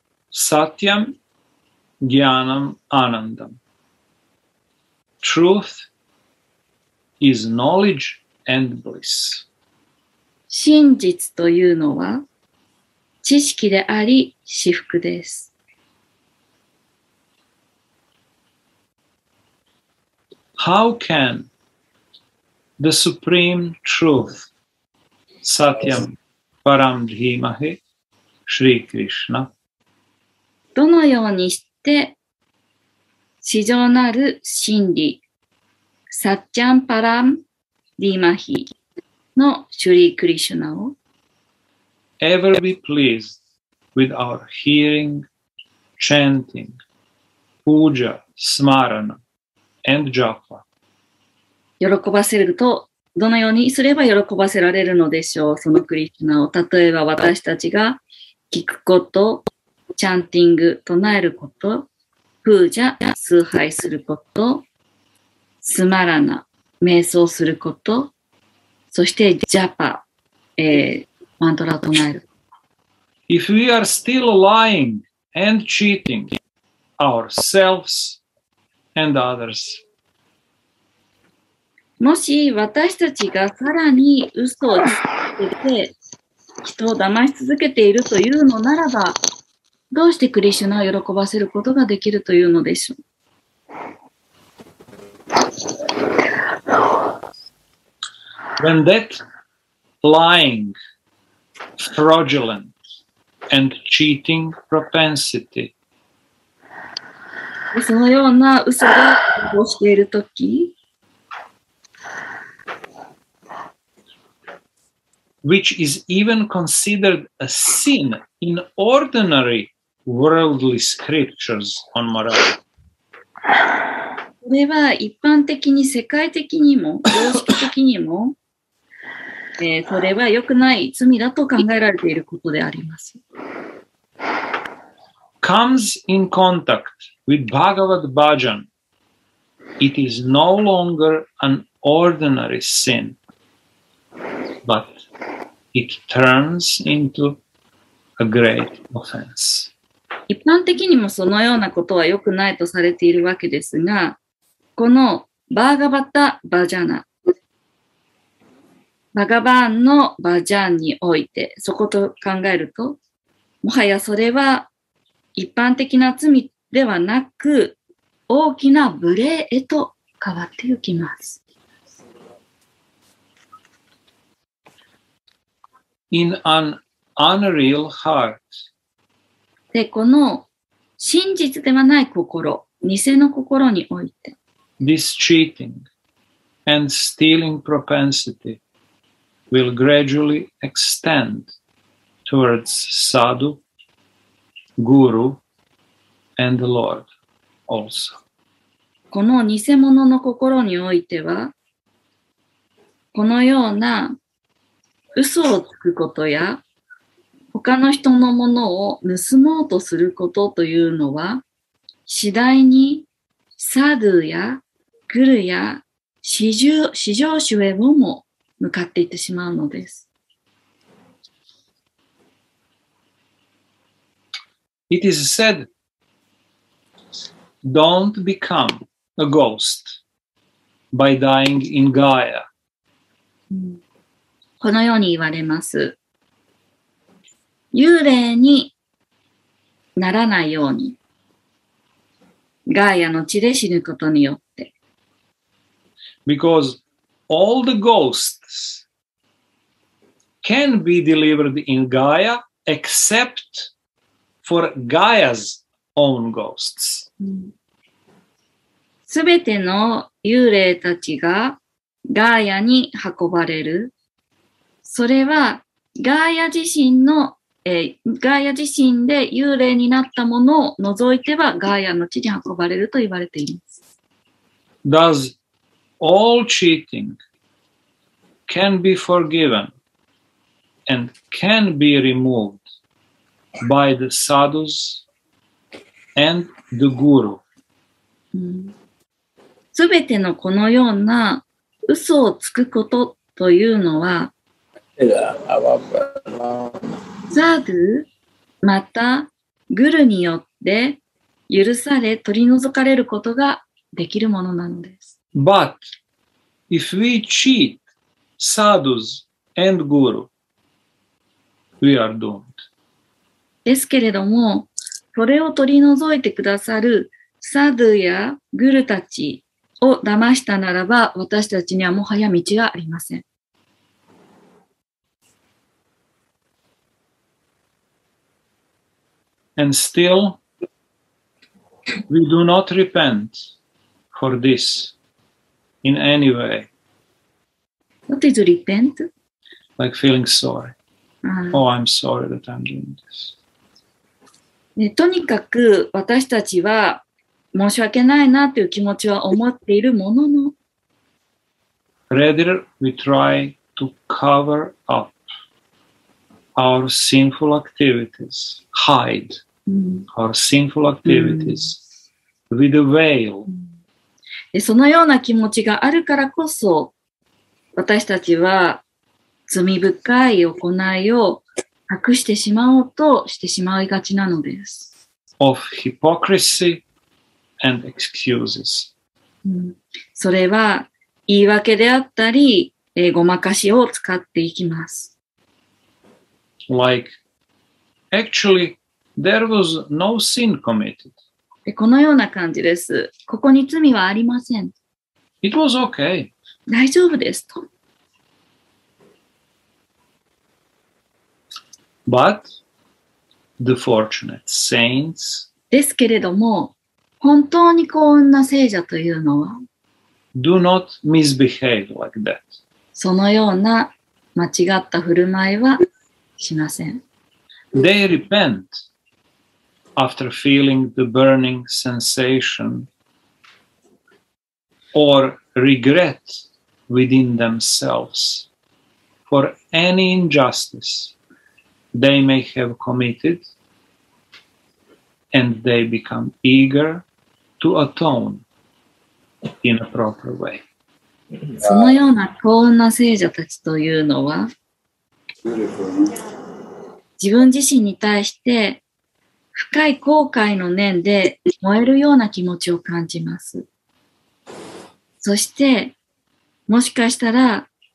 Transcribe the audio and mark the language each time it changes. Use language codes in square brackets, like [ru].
[sa] Satyam, Jnanam, Anandam. [en] Truth is knowledge and bliss. [ja] 真実というのは知識であり至福です。 [en] How can the supreme truth, [sa] Satyam, Param Dhimahi, [en] Shri Krishna. [ja] どのようにして、至上なる真理、 [sa] Satyam Param Dhimahi [ja] の Shri Krishna を [en] ever be pleased with our hearing, chanting, puja, smarana, and japa. [ja] 喜ばせると、どのようにすれば喜ばせられるのでしょう、そのクリシュナを。例えば私たちが聞くこと、チャンティング、唱えること、プージャ、崇拝すること、スマラナ、瞑想すること、そしてジャパ、マントラを唱える。 [en] If we are still lying and cheating ourselves and others, [ja] もし私たちがさらに嘘をつけて人を騙し続けているというのならば、どうしてクリシュナを喜ばせることができるというのでしょう。 [en] When that lying, fraudulent, and cheating propensity, [ja] そのような嘘が起きているとき、 [en] which is even considered a sin in ordinary worldly scriptures on morality. [ja] これは一般的に世界的にも常識的にも、それは良くない罪だと考えられていることであります。 [en] Comes in contact with Bhagavad Bhajan, it is no longer an ordinary sin, but. It turns into a great offense. [ja] 一般的にもそのようなことは良くないとされているわけですが、このバーガバタ・バジャナ、バガバーンのバジャンにおいて、そこと考えると、もはやそれは一般的な罪ではなく、大きな無礼へと変わってゆきます。 [en] In an unreal heart. [ja] で、この真実ではない心、偽の心において。 [en] This cheating and stealing propensity will gradually extend towards sadhu, guru, and the Lord also. [ja] この偽物の心においては、このような嘘をつくことや、他の人のものを盗もうとすることというのは、次第にサドゥやグルや四乗主へをも向かっていってしまうのです。 [en] It is said, don't become a ghost by dying in Gaia. [ja] このように言われます。幽霊にならないように、ガイアの地で死ぬことによって。 [en] Because all the ghosts can be delivered in Gaia except for Gaia's own ghosts. [ja] すべての幽霊たちがガイアに運ばれる。それはガイア自身のガイア自身で幽霊になったものを除いてはガイアの地に運ばれると言われています。 [en] Thus, all cheating can be forgiven and can be removed by the sadhus and the guru. [ja] すべてのこのような嘘をつくことというのは、サードゥまたグルによって許され取り除かれることができるものなのです。 [en] But if we cheat sadhus and guru, we are doomed. [ja] ですけれども、それを取り除いてくださるサードゥやグルたちを騙したならば、私たちにはもはや道がありません。 [en] And still, we do not repent for this in any way. What is repent? Like feeling sorry. Oh, I'm sorry that I'm doing this. [ja] とにかく私たちは申し訳ないなという気持ちは思っているものの。 [en] Rather, we try to cover up our sinful activities, hide. Our sinful activities with a veil. [ja] そのような気持ちがあるからこそ、私たちは罪深い行いを隠してしまおうとしてしまいがちなのです。 [en] Of hypocrisy and excuses. [ja] それは言い訳であったり、ごまかしを使っていきます。 [en] Like, actually,There was no sin committed. [ja] このような感じです。ここに罪はありません。 [en] It was okay. [ja] 大丈夫ですと。 [en] But the fortunate saints. [ja] ですけれども、本当に幸運な聖者というのは、 [en] do not misbehave like that. [ja] そのような間違った振る舞いはしません。 [en] They repent. After feeling the burning sensation or regret within themselves for any injustice they may have committed, and they become eager to atone in a proper way. [ja] そのような幸運な聖者たちというのは、自分自身に対して深い後悔の念で燃えるような気持ちを感じます。そして、もしかしたら